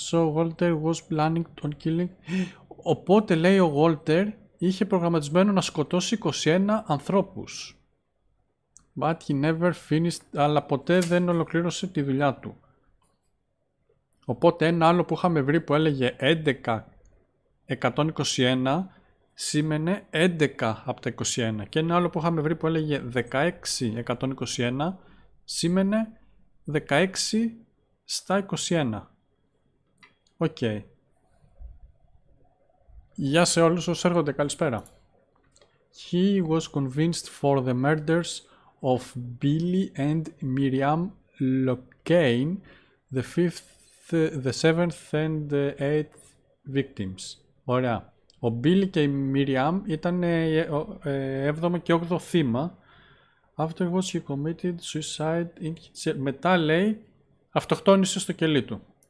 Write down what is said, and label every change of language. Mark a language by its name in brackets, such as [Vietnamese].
[English] So Walter was planning on killing. [Greek] Οπότε, λέει, ο Walter είχε προγραμματισμένο να σκοτώσει 21 ανθρώπους. [English] But he never finished, [Greek] αλλά ποτέ δεν ολοκλήρωσε τη δουλειά του. Οπότε ένα άλλο που είχαμε βρει που έλεγε 11-121 σήμαινε 11 από τα 21. Και ένα άλλο που είχαμε βρει που έλεγε 16-121 σήμαινε 16 στα 21. Οκ. Okay. Γεια σε όλους όσους έρχονται, καλησπέρα. [English] He was convinced for the murders of Billy and Miriam Locane, the 7th and 8th victims. [Greek] Ωραία. Ο Billy και η Miriam ήταν 7ο και 8ο θύμα. [English] After which he committed suicide in his... [Greek] Μετά λέει, αυτοκτόνησε στο κελί του.